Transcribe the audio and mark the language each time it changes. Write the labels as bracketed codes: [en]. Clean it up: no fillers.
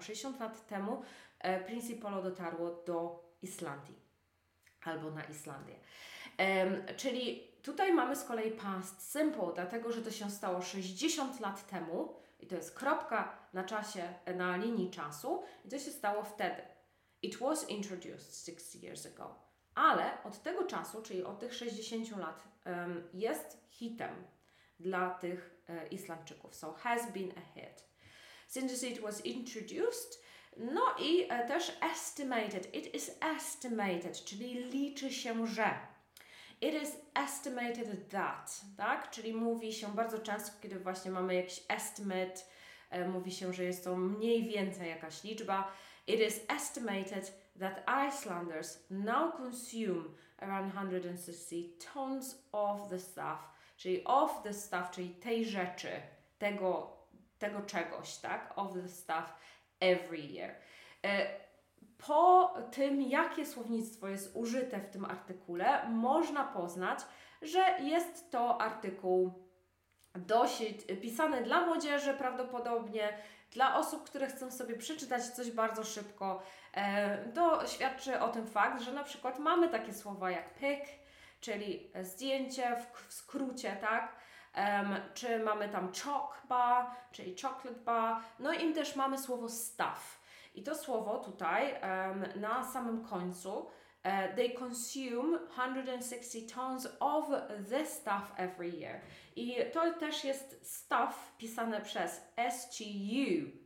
[pl] 60 lat temu Principolo dotarło do Islandii albo na Islandię. Czyli tutaj mamy z kolei past simple, dlatego że to się stało 60 lat temu i to jest kropka na czasie, na linii czasu i to się stało wtedy. [en] It was introduced 60 years ago. [pl] Ale od tego czasu, czyli od tych 60 lat, jest hitem dla tych Islandczyków. [en] So has been a hit. Since it was introduced, [pl] no i też [en] estimated. It is estimated, [pl] czyli liczy się, że. [en] It is estimated that, tak? [pl] Czyli mówi się bardzo często, kiedy właśnie mamy jakiś estimate, mówi się, że jest to mniej więcej jakaś liczba. [en] It is estimated that Icelanders now consume around 160 tons of the stuff, czyli of the stuff, [pl] czyli tej rzeczy, tego czegoś, tak? [en] Of the stuff every year. [pl] Po tym, jakie słownictwo jest użyte w tym artykule, można poznać, że jest to artykuł dosyć pisany dla młodzieży, prawdopodobnie dla osób, które chcą sobie przeczytać coś bardzo szybko. To świadczy o tym fakt, że na przykład mamy takie słowa jak pic, czyli zdjęcie w skrócie, tak? Czy mamy tam chalk bar, czyli chocolate bar, no i też mamy słowo stuff. I to słowo tutaj na samym końcu, [en] they consume 160 tons of the stuff every year. [pl] I to też jest stuff pisane przez S-T-U-F-F.